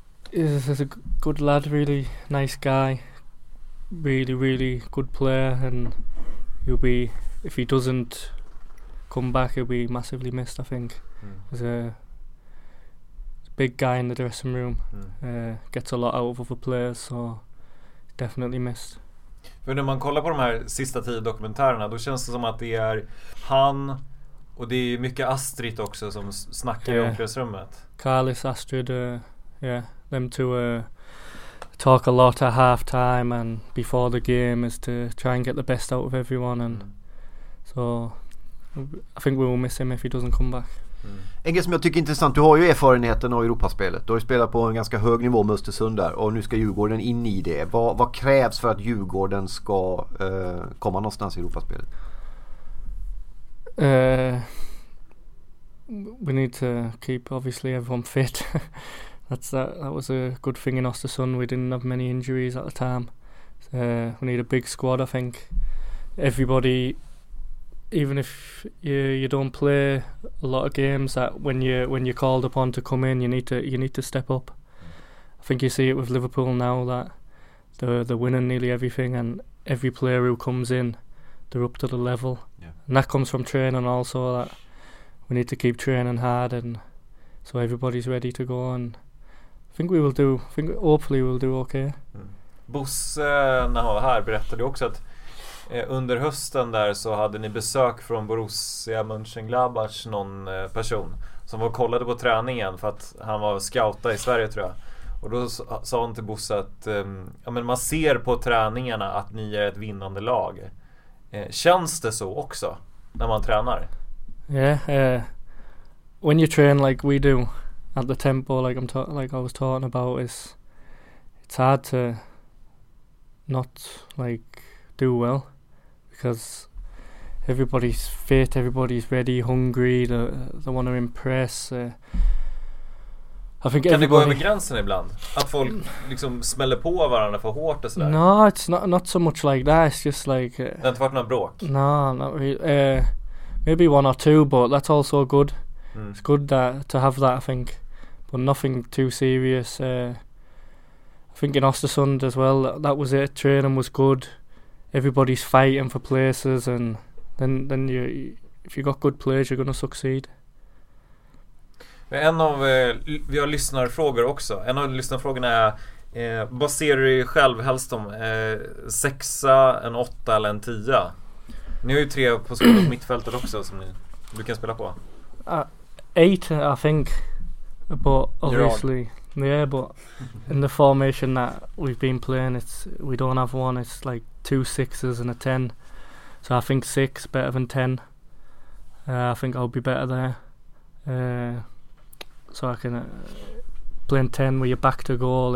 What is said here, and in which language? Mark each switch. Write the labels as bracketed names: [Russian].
[English] He's a good lad, really nice guy, really, really good player, and he'll be, if he doesn't come back, he'll be massively missed, I think. Mm. He's a big guy in the dressing room, gets a lot out of other players, so definitely missed. [Swedish] För när man kollar på de här sista tio dokumentärerna, då känns det som att det är han, och det är mycket Astrid också som snackar i omklädningsrummet. [English] Carlis, Astrid, them to talk a lot at half time and before the game, is to try and get the best out of everyone, and so I think we will miss him if he doesn't come back. [Swedish] En grej som jag tycker är intressant, du har ju erfarenheten av Europaspelet, du har ju spelat på en ganska hög nivå med Östersund där, och nu ska Djurgården in i det. Vad krävs för att Djurgården ska komma någonstans i Europaspelet? [English] We need to keep obviously everyone fit. That was a good thing in Östersund. We didn't have many injuries at the time. We need a big squad, I think. Everybody, even if you don't play a lot of games, that when you're called upon to come in, you need to step up. I think you see it with Liverpool now, that they're winning nearly everything, and every player who comes in, they're up to the level. Yeah. And that comes from training also, that we need to keep training hard, and so everybody's ready to go. And I think hopefully we'll do okay. Mm. [Swedish] Bosse, när han var här, berättade också att under hösten där så hade ni besök från Borussia Mönchengladbach, någon person som var och kollade på träningen, för att han var scouta i Sverige, tror jag. Och då sa han till Bosse att man ser på träningarna att ni är ett vinnande lag. Känns det så också när man tränar? [English] When you train like we do, at the tempo like I was talking about, it's hard to not like do well, because everybody's fit, everybody's ready, hungry, they want to impress. I think can everybody, they go over [Swedish] gränsen ibland, att folk liksom smäller på varandra för hårt och sådär? [English] No, it's not so much like that. It's just like [Swedish] det har inte varit några bråk? [English] No, not really. Maybe one or two, but that's also good. It's good to have that, I think. But nothing too serious. I think in Östersund as well, that was it. Training was good. Everybody's fighting for places, and then you, if you got good players, you're gonna succeed. [Swedish] En av vi har lyssnarfrågor också. En av lyssnarfrågorna är: vad ser du själv helst om? Sexa, en åtta eller en tia? Ni har ju tre på mittfältet också som ni brukar spela på. [English] Eight, I think. But obviously, yeah, but in the formation that we've been playing, we don't have one. It's like two sixes and a ten. So I think six better than ten. I think I'll be better there. So I can play in ten where you're back to goal.